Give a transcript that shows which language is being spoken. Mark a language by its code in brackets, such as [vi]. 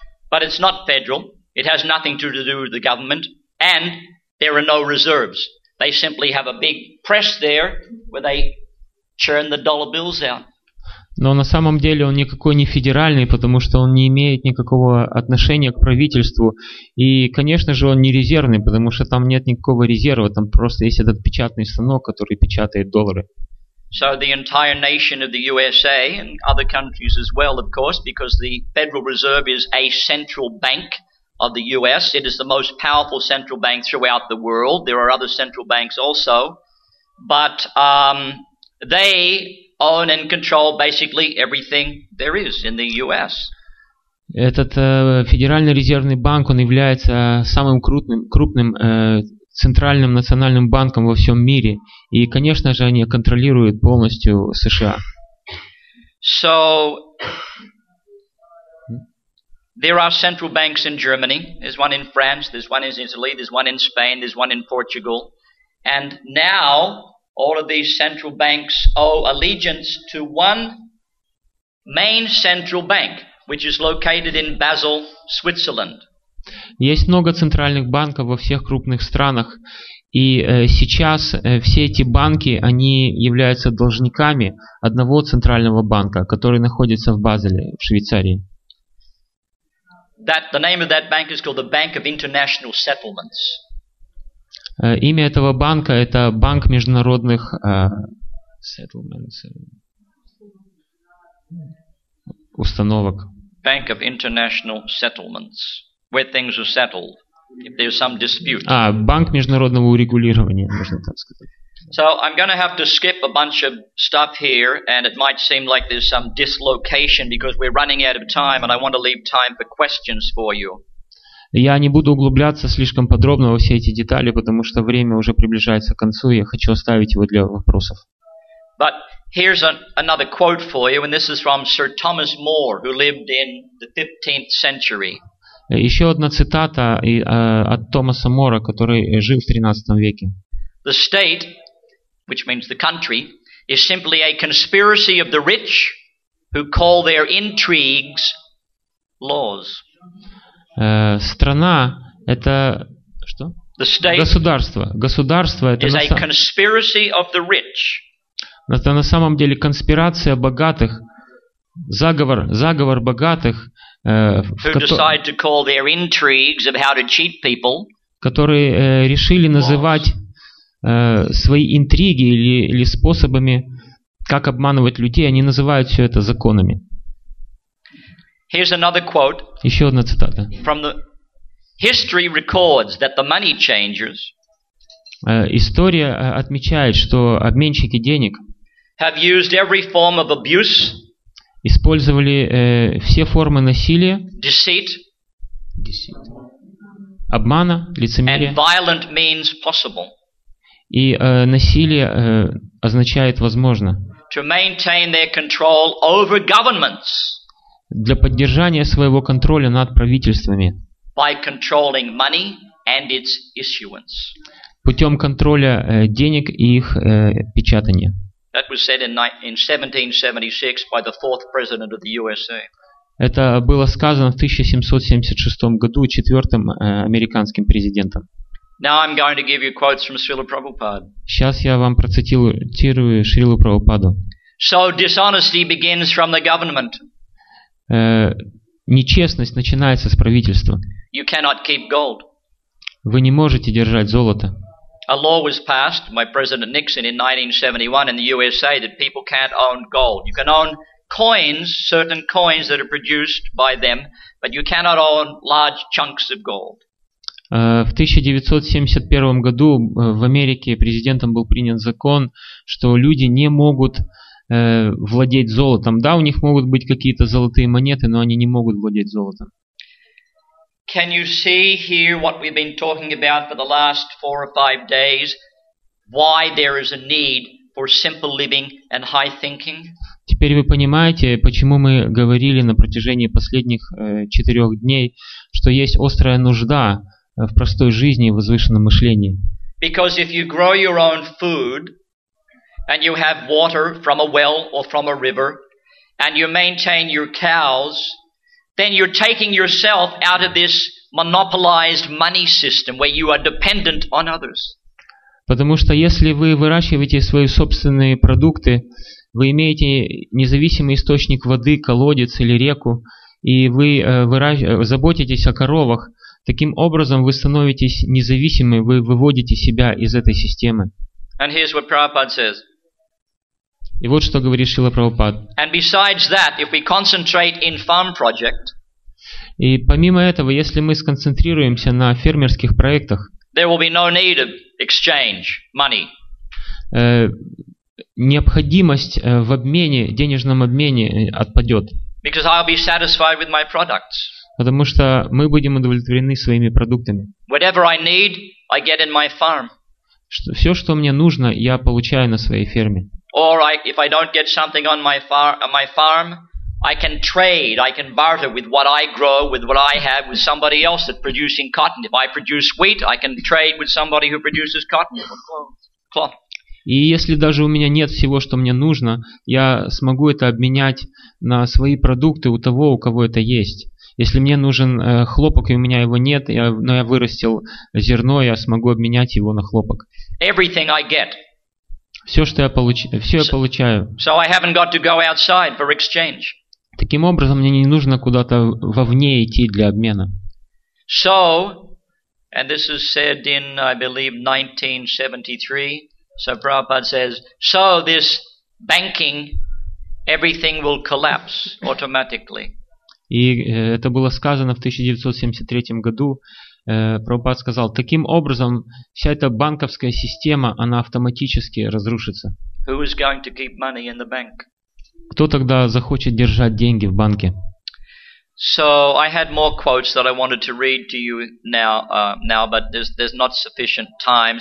[en] But it's not federal. It has nothing to do with the government. And there are no reserves. They simply have a big press there where they churn the dollar bills out. [ru] Но на самом деле он никакой не федеральный, потому что он не имеет никакого отношения к правительству. И, конечно же, он не резервный, потому что там нет никакого резерва, там просто есть этот печатный станок, который печатает доллары. [en] So the entire nation of the USA and other countries as well, of course, because the Federal Reserve is a central bank of the US. It is the most powerful central bank throughout the world. There are other central banks also. But they own and control basically everything there is in the US. [ru] Этот Федеральный резервный банк, он является самым крупным центральным национальным банком во всем мире. И, конечно же, они контролируют полностью США. [en] So, there are central banks in Germany. There's one in France, there's one in Italy, there's one in Spain, there's one in Portugal. And now, all of these central banks owe allegiance to one main central bank, which is located in Basel, Switzerland. [ru] Есть много центральных банков во всех крупных странах, и сейчас все эти банки, они являются должниками одного центрального банка, который находится в Базеле, в Швейцарии. [en] That, the name of that bank is called the Bank of International Settlements. [ru] Имя этого банка – это Банк международных settlements. Установок. [en] Bank of International Settlements. Where things are settled, if there's some dispute. [ru] А, банк международного урегулирования, можно так сказать. [en] So I'm going to have to skip a bunch of stuff here, and it might seem like there's some dislocation because we're running out of time, and I want to leave time for questions for you. [ru] Я не буду углубляться слишком подробно во все эти детали, потому что время уже приближается к концу, и я хочу оставить его для вопросов. [en] But here's another quote for you, and this is from Sir Thomas More, who lived in the 15th century. [ru] Еще одна цитата от Томаса Мора, который жил в 13 веке. [en] The state, which means the country, is simply a conspiracy of the rich who call their intrigues laws. [ru] Страна – это что? [en] The state [ru] государство. Государство – это [en] is a conspiracy of the rich. [ru] Это на самом деле конспирация богатых, заговор богатых, которые решили называть свои интриги или способами, как обманывать людей, они называют все это законами. [en] Here's another quote. [ru] Еще одна цитата. [en] From the history records that the money changers. [ru] История отмечает, что обменщики денег [en] have used every form of abuse. [ru] Использовали все формы насилия, [en] deceit, [ru] обмана, лицемерия, [en] and violent means possible. [ru] И насилие означает возможно. [en] To maintain their control over governments. [ru] Для поддержания своего контроля над правительствами. [en] By controlling money and its issuance. [ru] Путем контроля денег и их печатания. [en] That was said in 1776 by the fourth president of the USA. [ru] Это было сказано в 1776 году четвертым американским президентом. [en] Now I'm going to give you quotes from Srila Prabhupada. [ru] Сейчас я вам процитирую Шрилу Прабхупаду. [en] So dishonesty begins from the government. [ru] Нечестность начинается с правительства. [en] You cannot keep gold. [ru] Вы не можете держать золото. [en] A law was passed by President Nixon in 1971 in the USA that people can't own gold. You can own coins, certain coins that are produced by them, but you cannot own large chunks of gold. [ru] В 1971 году в Америке президентом был принят закон, что люди не могут владеть золотом. Да, у них могут быть какие-то золотые монеты, но они не могут владеть золотом. [en] Can you see here what we've been talking about for the last four or five days? Why there is a need for simple living and high thinking? [ru] Теперь вы понимаете, почему мы говорили на протяжении последних четырех дней, что есть острая нужда в простой жизни и возвышенном мышлении. [en] Because if you grow your own food and you have water from a well or from a river and you maintain your cows, then you're taking yourself out of this monopolized money system where you are dependent on others. [ru] Потому что если вы выращиваете свои собственные продукты, Вы имеете независимый источник воды, колодец или реку, и вы заботитесь о коровах. Таким образом, вы становитесь независимы, вы выводите себя из этой системы. [en] And here's what Prabhupada says. [ru] И вот что говорит Шрила Прабхупад. [en] And besides that, if we concentrate in farm project, [ru] и помимо этого, если мы сконцентрируемся на фермерских проектах, [en] there will be no need of exchange money. [ru] Необходимость в обмене, денежном обмене отпадет. [en] Because I'll be satisfied with my products. [ru] Потому что мы будем удовлетворены своими продуктами. [en] Whatever I need, I get in my farm. [ru] Все, что мне нужно, я получаю на своей ферме. [en] Or if I don't get something on my farm, I can trade, I can barter with what I grow, with what I have, with somebody else that's producing cotton. If I produce wheat, I can trade with somebody who produces cotton. [ru] И если даже у меня нет всего, что мне нужно, я смогу это обменять на свои продукты у того, у кого это есть. Если мне нужен хлопок, и у меня его нет, но я вырастил зерно, я смогу обменять его на хлопок. [en] Everything I get. [ru] Все, что я получаю. [en] So I haven't got to go outside for exchange. [ru] Таким образом, мне не нужно куда-то вовне идти для обмена. [en] So, and this is said in, I believe, 1973. So Prabhupada says, so this banking, everything will collapse automatically. [ru] И это было сказано в 1973 году. Прабхупада сказал, таким образом вся эта банковская система, она автоматически разрушится. [en] Who is going to keep money in the bank? [ru] Кто тогда захочет держать деньги в банке? [en] So I had more quotes that I wanted to read to you now, but there's not sufficient time.